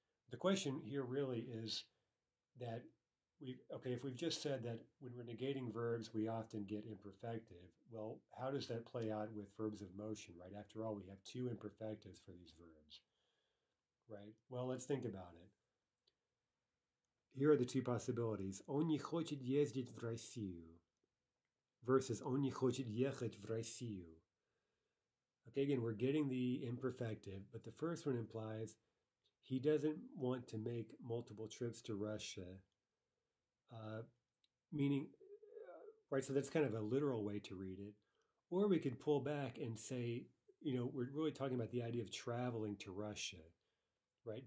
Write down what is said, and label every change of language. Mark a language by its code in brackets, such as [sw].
[en] The question here really is that if we've just said that when we're negating verbs, we often get imperfective, well, how does that play out with verbs of motion, right? After all, we have two imperfectives for these verbs, right? Well, let's think about it. Here are the two possibilities. [ru] Он не хочет ездить в Россию versus он не хочет ехать в Россию. [en] Okay, again, we're getting the imperfective, but the first one implies he doesn't want to make multiple trips to Russia, meaning, Right, so that's kind of a literal way to read it. Or we could pull back and say, we're really talking about the idea of traveling to Russia, right?